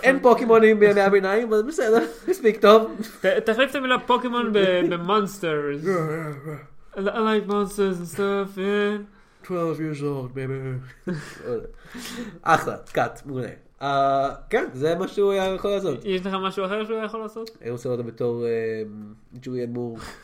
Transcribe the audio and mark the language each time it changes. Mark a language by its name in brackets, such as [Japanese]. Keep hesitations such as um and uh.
[Hebrew] אין פוקימונים בימי הביניים, אבל בסדר, מספיק טוב. תחליף את המילה פוקימון במונסטרס. [English] I like monsters and stuff, yeah. 12 years old, baby. [Hebrew] אחלה, קאט, מעולה. כן, זה מה שהוא היה יכול לעשות. יש לך משהו אחר שהוא היה יכול לעשות? אני רוצה לראות בתור ג'וריאן מור.